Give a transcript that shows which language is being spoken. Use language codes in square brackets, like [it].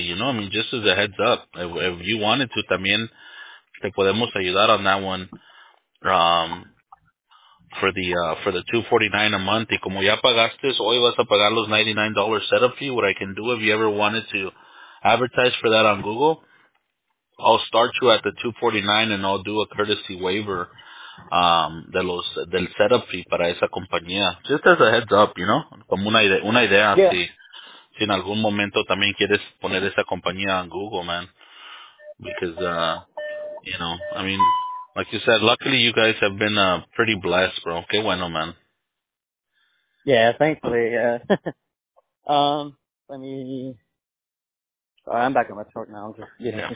[en] You know, I mean, just as a heads up, if you wanted to [es] también, te podemos ayudar [en] on that one for the $249 a month. [es] Y como ya pagaste, hoy vas a pagar los $99 [en] setup fee. What I can do if you ever wanted to advertise for that on Google, I'll start you at the $249 and I'll do a courtesy waiver [es] de los del setup fee para esa compañía. [en] Just as a heads up, you know, [es] como una idea [en] yeah. [es] si en algún momento también quieres poner esa compañía en Google, man. [en] Because you know, I mean, like you said, luckily you guys have been pretty blessed, bro. [es] Qué bueno, man. [en] Yeah, thankfully, yeah. I'm back on my short now, just getting yeah.